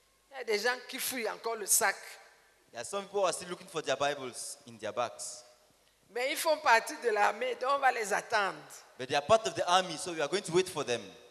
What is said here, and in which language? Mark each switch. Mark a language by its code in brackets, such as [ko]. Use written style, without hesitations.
[fr] Il y a des gens qui fouillent encore le sac. [en] Yeah, some people are still looking for their Bibles in their bags. [fr] Mais ils font partie de l'armée, donc on va les attendre. [en] But they are part of the army, so we are going to wait for them.